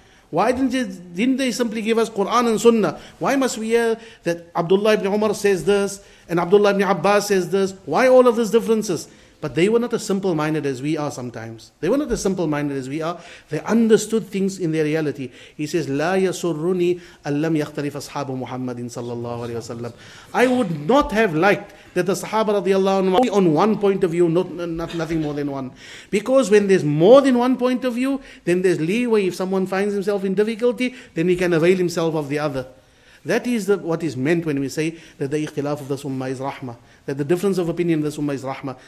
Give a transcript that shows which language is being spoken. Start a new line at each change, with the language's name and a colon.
English: Why didn't they simply give us Quran and Sunnah? Why must we hear that Abdullah ibn Umar says this and Abdullah ibn Abbas says this? Why all of these differences? But they were not as simple-minded as we are sometimes. They were not as simple-minded as we are. They understood things in their reality. He says,
Arabic: لا يسرني أن لم يختلف أصحاب محمد صلى الله عليه وسلم.
English: I would not have liked that the Sahaba radiallahu anhu only on one point of view, nothing more than one. Because when there's more than one point of view, then there's leeway. If someone finds himself in difficulty, then he can avail himself of the other. That is the, what is meant when we say that the ikhtilaf of this ummah is rahmah, that the difference of opinion of this ummah is rahmah.